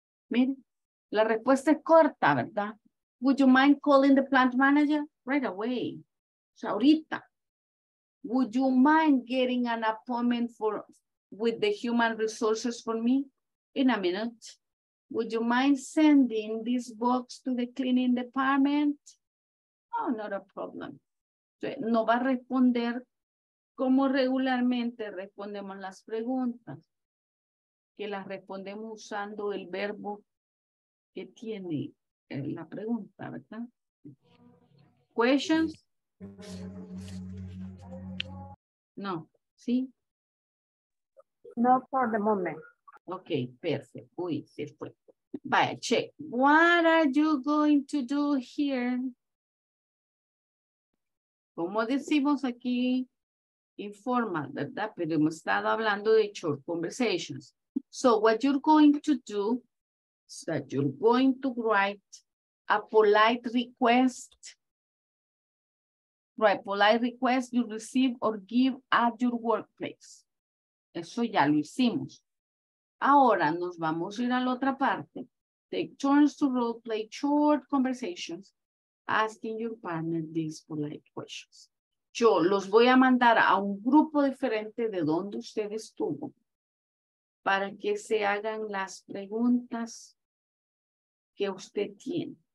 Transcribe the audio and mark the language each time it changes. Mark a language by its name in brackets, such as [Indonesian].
[Spanish] Miren, la respuesta es corta, ¿verdad? [English] Would you mind calling the plant manager right away? [Spanish] O sea, ahorita. [English] Would you mind getting an appointment with the human resources for me in a minute? Would you mind sending this box to the cleaning department? Oh, not a problem. [Spanish] No va a responder como regularmente respondemos las preguntas, que las respondemos usando el verbo que tiene la pregunta, ¿verdad? [English] ¿Questions? [Spanish] No, ¿sí? [English] No, for the moment. [Spanish] Ok, perfecto. Uy, se fue. Vaya, check. [English] What are you going to do here? [Spanish] ¿Cómo decimos aquí? Informal, ¿verdad? Pero hemos estado hablando de [English] short conversations. So what you're going to do is that you're going to write a polite request. Write polite request you receive or give at your workplace. [Spanish] Eso ya lo hicimos. Ahora nos vamos a ir a la otra parte. [English] Take turns to role play short conversations asking your partner these polite questions. [Spanish] Yo los voy a mandar a un grupo diferente de donde usted estuvo para que se hagan las preguntas que usted tiene.